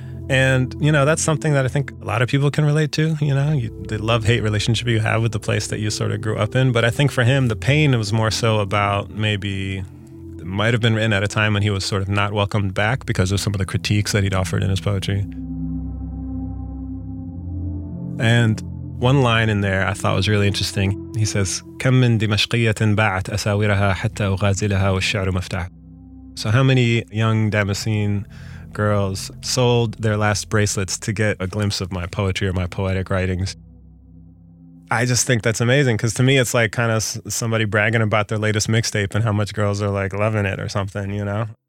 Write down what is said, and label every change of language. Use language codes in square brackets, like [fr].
[en] And, you know, that's something that I think a lot of people can relate to, you know, the love-hate relationship you have with the place that you sort of grew up in. But I think for him, the pain was more so about maybe it might have been written at a time when he was sort of not welcomed back because of some of the critiques that he'd offered in his poetry. And one line in there I thought was really interesting. He says, [ar] كَمْ مِنْ دِمَشْقِيَةٍ بَعْتْ أَسَاوِرَهَا حَتَّى أُغَازِلَهَا وَالشَّعْرُ مَفْتَحٍ. [en] So how many young Damascene girls sold their last bracelets to get a glimpse of my poetry or my poetic writings? I just think that's amazing, because to me it's like kind of somebody bragging about their latest mixtape and how much girls are like loving it or something, you know?